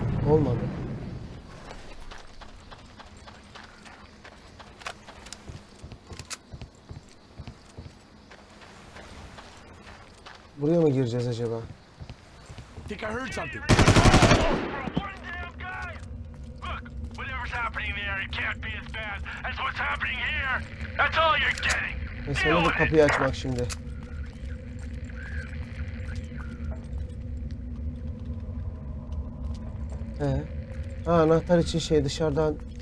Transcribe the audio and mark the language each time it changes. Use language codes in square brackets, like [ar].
[tr] Olmadı. Buraya mı gireceğiz acaba? [en] I think I heard something. Oh, happening there, it can't be as bad as what's happening here. That's all you're getting. [tr] Mesela bu kapıyı açmak şimdi. Ha, anahtar için şey dışarıdan.